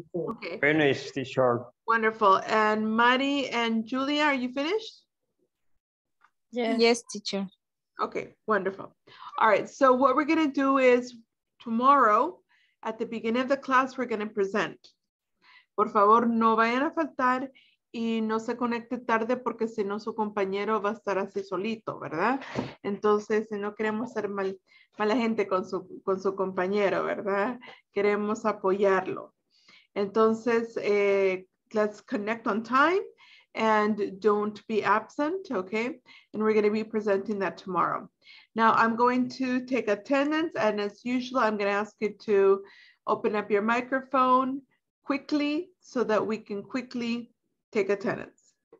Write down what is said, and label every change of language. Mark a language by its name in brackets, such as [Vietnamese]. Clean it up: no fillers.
[English] Okay. Finished, teacher. Wonderful. And Mari and Julia, are you finished? Yes. Yes, teacher. Okay, wonderful. All right, so what we're gonna do is tomorrow, at the beginning of the class, we're gonna present. [Spanish] Por favor, no vayan a faltar y no se conecte tarde porque si no su compañero va a estar así solito, ¿verdad? Entonces, no queremos ser mala gente con su compañero, ¿verdad? Queremos apoyarlo. [English] Entonces, let's connect on time and don't be absent, okay? And we're going to be presenting that tomorrow. Now, I'm going to take attendance, and as usual, I'm going to ask you to open up your microphone quickly so that we can quickly take attendance.